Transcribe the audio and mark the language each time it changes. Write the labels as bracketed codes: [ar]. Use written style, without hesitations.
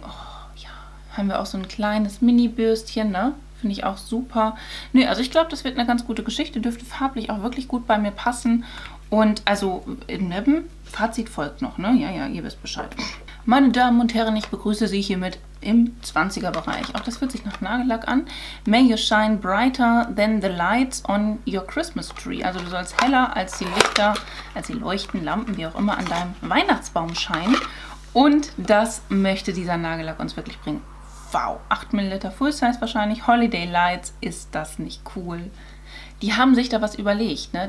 [de] Oh, ja, haben wir auch so ein kleines Mini-Bürstchen, ne? Finde ich auch super. Nö, also ich glaube, das wird eine ganz gute Geschichte. Dürfte farblich auch wirklich gut bei mir passen. Und also im Lippen, Fazit folgt noch, ne? Ja, ja, ihr wisst Bescheid. Meine Damen und Herren, ich begrüße Sie hiermit im 20er Bereich. Auch das fühlt sich nach Nagellack an. [en] May you shine brighter than the lights on your Christmas tree. [de] Also du sollst heller als die Lichter, als die Leuchten, Lampen, wie auch immer, an deinem Weihnachtsbaum scheinen. Und das möchte dieser Nagellack uns wirklich bringen. Wow, 8 Milliliter Full Size wahrscheinlich. Holiday Lights, ist das nicht cool? Die haben sich da was überlegt, ne?